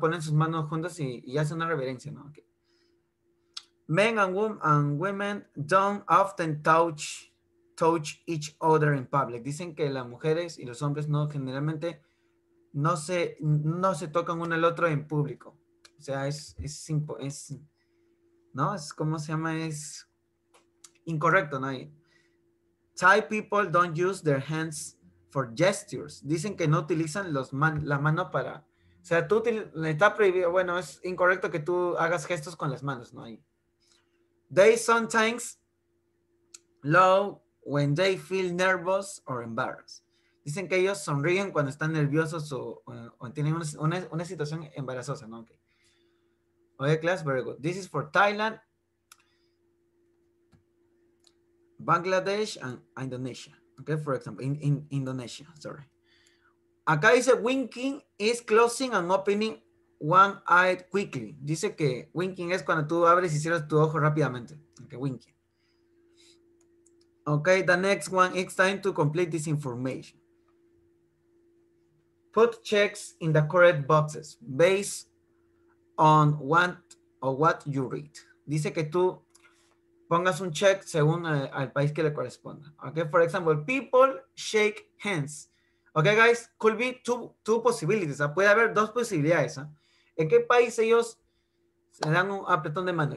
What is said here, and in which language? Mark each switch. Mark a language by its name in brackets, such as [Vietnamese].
[Spanish] Ponen sus manos juntas y hacen una reverencia, ¿no? [English] Okay. Men and women don't often touch each other in public. [Spanish] Dicen que las mujeres y los hombres no, generalmente, no se tocan uno al otro en público. O sea, es incorrecto, ¿no? [English] Thai people don't use their hands for gestures. [Spanish] Dicen que no utilizan la mano para... O sea, tú está prohibido. Bueno, es incorrecto que tú hagas gestos con las manos, ¿no? [English] They sometimes laugh when they feel nervous or embarrassed. [Spanish] Dicen que ellos sonríen cuando están nerviosos o tienen una situación embarazosa, ¿no? [English] Okay. [Spanish] Oye, [English] class, very good. This is for Thailand, Bangladesh, and Indonesia. Okay, for example, in Indonesia, sorry. [Spanish] Acá dice, [English] winking is closing and opening one eye quickly. [Spanish] Dice que winking es cuando tú abres y cierras tu ojo rápidamente. [English] Okay, winking. Okay, the next one, it's time to complete this information. Put checks in the correct boxes based on what you read. [Spanish] Dice que tú pongas un check según al país que le corresponda. [English] Okay, for example, people shake hands. Okay, guys, could be two possibilities. [Spanish] Puede haber dos posibilidades. ¿En qué país ellos se dan un apretón de mano?